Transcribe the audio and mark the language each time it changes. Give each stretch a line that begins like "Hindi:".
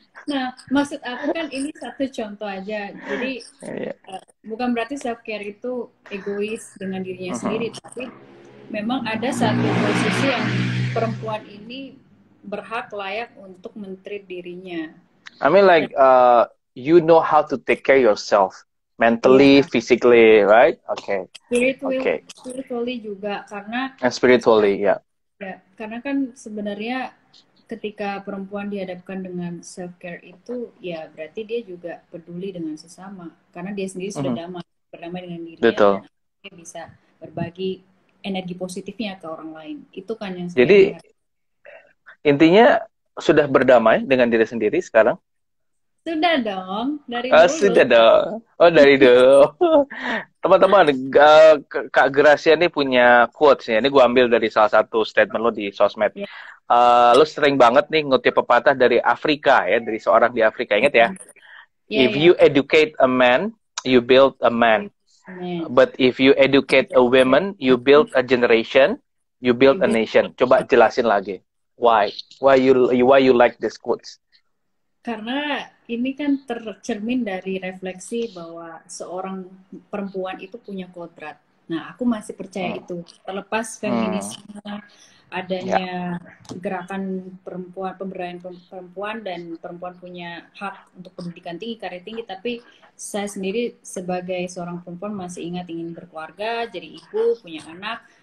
Indonesian: Nah, maksud aku kan ini satu contoh aja. Jadi, Iya. bukan berarti self-care itu egois dengan dirinya sendiri, tapi memang ada satu posisi yang perempuan ini berhak layak untuk men-treat dirinya.
English: I mean like you know how to take care yourself mentally,
Indonesian: Iya.
English: physically, right? Okay. Spiritual, Okay.
Indonesian: spiritually juga karena
English: And spiritually, ya.
Indonesian: ya, karena kan sebenarnya ketika perempuan dihadapkan dengan self care itu ya berarti dia juga peduli dengan sesama karena dia sendiri sudah berdamai dengan dirinya Betul. dan dia bisa berbagi energi positifnya ke orang lain. Itu kan yang saya Jadi lihat. intinya sudah berdamai dengan diri sendiri sekarang? Sudah dong, dari dulu. Sudah dong. Oh, dari dulu. Teman-teman, Kak Gracia ini punya quotes ya. Ini gue ambil dari salah satu statement lo di sosmed. Lo sering banget nih ngutip pepatah dari Afrika ya, dari seorang di Afrika. Ingat ya, Ya,
English: if you educate a man, you build a man. But if you educate a woman, you build a generation, you build a nation.
Indonesian: Coba jelasin lagi.
English: Why you like this quotes?
Indonesian: Karena ini kan tercermin dari refleksi bahwa seorang perempuan itu punya kodrat. Nah, aku masih percaya itu. Terlepas feminisme, adanya gerakan perempuan, pemberdayaan perempuan, dan perempuan punya hak untuk pendidikan tinggi, karir tinggi, tapi saya sendiri sebagai seorang perempuan masih ingin berkeluarga, jadi ibu, punya anak.